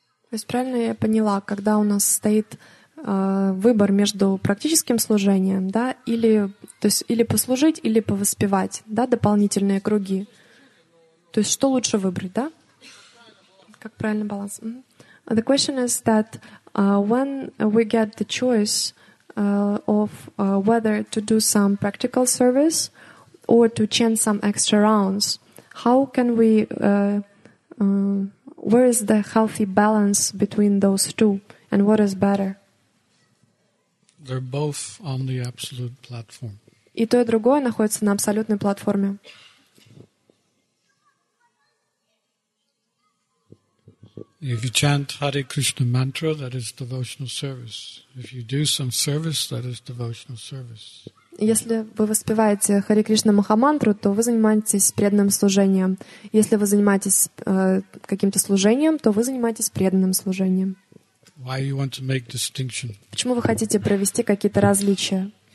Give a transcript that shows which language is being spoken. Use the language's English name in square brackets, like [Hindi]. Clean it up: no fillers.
[Russian] То есть правильно я поняла, когда у нас стоит выбор между практическим служением, да, или, то есть, или послужить, или повоспевать, да, дополнительные круги. То есть что лучше выбрать, да? Как правильный баланс? Mm-hmm. [English] The question is that when we get the choice of whether to do some practical service or to chant some extra rounds, how can we... Where is the healthy balance between those two, and what is better? They're both on the absolute platform. [Russian] И то, и другое находится на абсолютной платформе. [English] If you chant Hare Krishna mantra, that is devotional service. If you do some service, that is devotional service. [Russian] Если вы воспеваете Хари Кришна Махамантру, то вы занимаетесь преданным служением. Если вы занимаетесь каким-то служением, то вы занимаетесь преданным служением. [English] Why you want to make distinction? [Russian] Почему вы хотите провести какие-то различия?